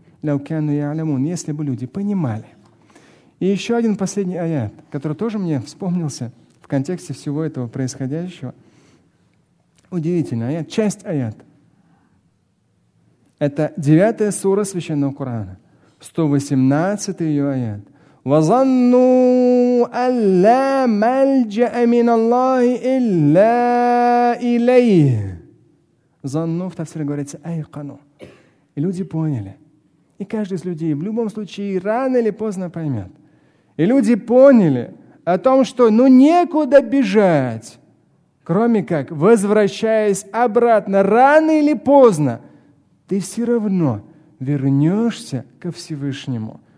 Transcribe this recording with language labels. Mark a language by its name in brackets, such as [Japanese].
[Russian] Если бы люди понимали. И еще один последний аят, который тоже мне вспомнился в контексте всего этого происходящего. Удивительный аят, часть аят. Это 9-я сура Священного Корана, 118-й ее аят. [Arabic] وَظَنُّوا أَلَّا مَلْجَأَ مِنَ اللَّهِ إِلَّا إِلَيْهِ ظَنُّوا, [Russian] в тафсире говорится, [Arabic] айкану. [Russian] И люди поняли. И каждый из людей в любом случае рано или поздно поймет. И люди поняли о том, что ну некуда бежать, кроме как возвращаясь обратно, рано или поздно, ты все равно вернешься ко Всевышнему.